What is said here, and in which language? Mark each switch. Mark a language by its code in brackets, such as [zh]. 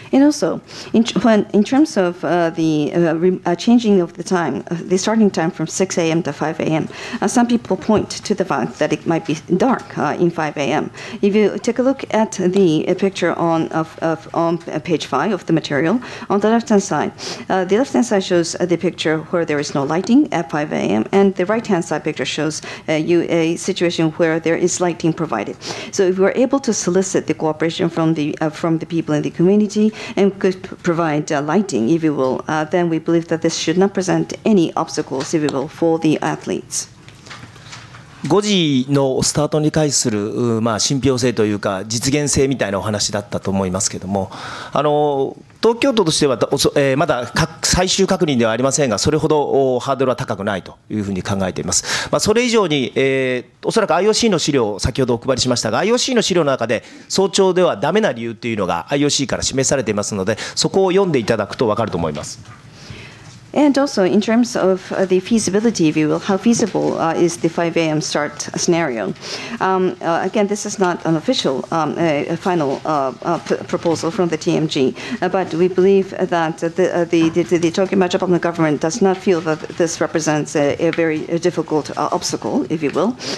[en] And also, in terms of changing of the time, the starting time from 6 a.m. to 5 a.m., some people point to the fact that it might be dark in 5 a.m. If you take a look at the picture on page 5 of the material, on the left-hand side shows the picture where there is no lighting at 5 a.m., and the right-hand side picture shows you a situation where there is lighting provided. So if we're able to solicit the cooperation from the people in the community,and could provide lighting, if you will, then we believe that this should not present any obstacles, if you will, for the athletes. [ja] 5時のスタートに対する、まあ、信憑性というか実現性みたいなお話だったと思いますけども、あの東京都としてはまだ最終確認ではありませんが、それほどハードルは高くないというふうに考えています。まあ、それ以上に、おそらく IOC の資料を先ほどお配りしましたが、 IOC の資料の中で早朝ではダメな理由というのが IOC から示されていますので、そこを読んでいただくと分かると思います。 [en] And also in terms of the feasibility, if you will, how feasible is the 5 a.m. start scenario? Again, this is not an official final proposal from the TMG, but we believe that the Tokyo Metropolitan Government does not feel that this represents a very difficult obstacle, if you will.